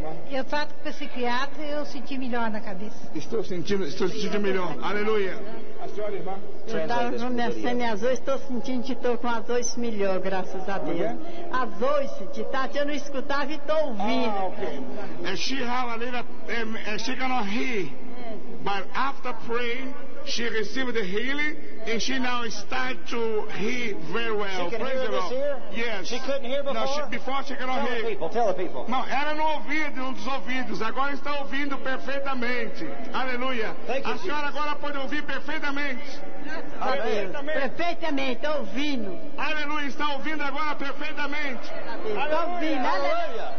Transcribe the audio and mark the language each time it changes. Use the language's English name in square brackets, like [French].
[Portuguese] Eu trato com o psiquiatra e eu senti melhor na cabeça. Estou sentindo melhor. Aleluia. Eu estava com minha sêmia azul, estou sentindo que estou com a voz melhor, graças a Deus. A voz de Tati, eu não escutava e estou ouvindo. [English] Ah, ok. She have a little, she cannot hear, but after praying, she received the healing. And she now start to hear very well. She can praise hear this ear? Yes. She couldn't hear before? No, before she cannot tell hear. Tell the people. [Portuguese] Não, ela não ouvia de um dos ouvidos. Agora está ouvindo perfeitamente. Aleluia. [English] Thank a you, [Portuguese] senhora [English] Jesus. [Portuguese] Agora pode ouvir perfeitamente. Perfeitamente, ouvindo. Aleluia, está ouvindo agora perfeitamente. Aleluia. Ouvindo. Aleluia.